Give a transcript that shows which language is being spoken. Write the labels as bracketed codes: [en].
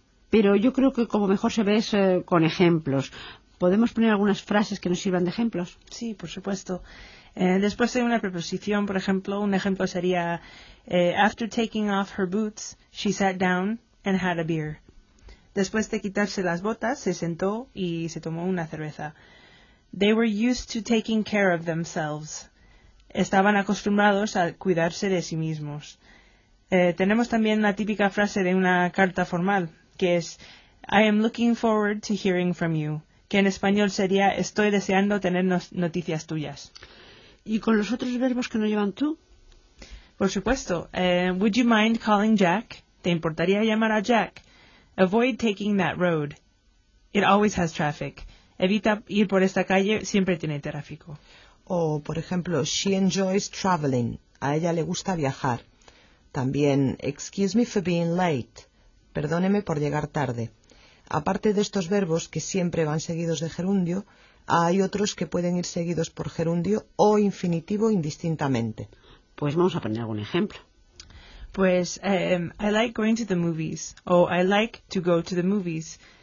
[es] Pero yo creo que como mejor se ve es con ejemplos. ¿Podemos poner algunas frases que nos sirvan de ejemplos? Sí, por supuesto. Después de una preposición, por ejemplo, un ejemplo sería [en] after taking off her boots, she sat down and had a beer. [es] Después de quitarse las botas, se sentó y se tomó una cerveza. [en] They were used to taking care of themselves. [es] Estaban acostumbrados a cuidarse de sí mismos. Tenemos también la típica frase de una carta formal, que es [en] I am looking forward to hearing from you, [es] que en español sería estoy deseando tener noticias tuyas. ¿Y con los otros verbos que no llevan tú? Por supuesto. [en] Would you mind calling Jack? [es] ¿Te importaría llamar a Jack? [en] Avoid taking that road. It always has traffic. [es] Evita ir por esta calle, siempre tiene tráfico. O, por ejemplo, [en] she enjoys traveling. [es] A ella le gusta viajar. También, [en] excuse me for being late. [es] Perdóneme por llegar tarde. Aparte de estos verbos, que siempre van seguidos de gerundio, hay otros que pueden ir seguidos por gerundio o infinitivo indistintamente. Pues vamos a poner algún ejemplo. [en] Pues, I like going to the movies. O, I like to go to the movies.